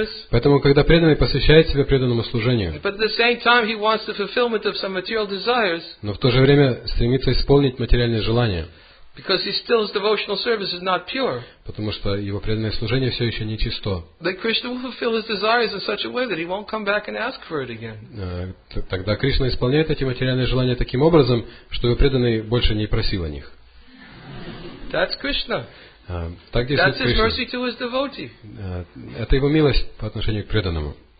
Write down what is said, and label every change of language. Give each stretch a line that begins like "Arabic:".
Russian: Поэтому, когда преданный посвящает себя преданному служению, но в то же время стремится исполнить материальные желания,
English: because he still his devotional service is not pure.
Russian: Потому что его преданное служение все еще не чисто.
English: Then Krishna will fulfill his desires in such a way that he won't come back and ask for it again.
Russian: Тогда Кришна исполняет эти материальные желания таким образом, что его преданный больше не просил о них.
English: That's Krishna.
Russian: Так действует Кришна.
English: That's his mercy to his devotee.
Russian: Это его милость по отношению к преданному.